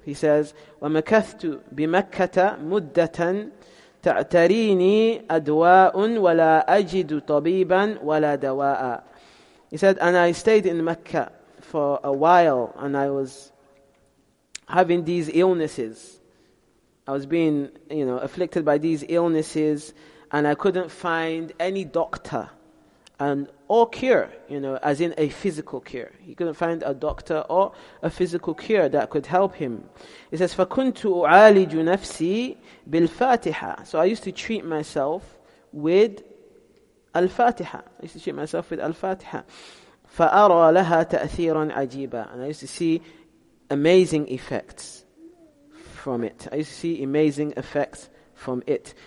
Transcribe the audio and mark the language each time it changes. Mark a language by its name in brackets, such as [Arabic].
[English] He says, [Arabic] وَمَكَثْتُ بِمَكَّةَ مُدَّةً تَعْتَرِينِي أَدْوَاءٌ وَلَا أَجِدُ طَبِيبًا وَلَا دَوَاءً. [English] He said, and I stayed in Mecca for a while and I was having these illnesses. I was being, you know, afflicted by these illnesses and I couldn't find any doctor or cure, you know, as in a physical cure. He couldn't find a doctor or a physical cure that could help him. He says, [Arabic] فَكُنْتُ أُعَالِجُ نَفْسِي بِالْفَاتِحَةِ. [English] So I used to treat myself with Al-Fatiha. I used to treat myself with Al-Fatiha. [Arabic] فَأَرَى لَهَا تَأْثِيرًا عَجِيبًا. [English] And I used to see amazing effects from it. I used to see amazing effects from it.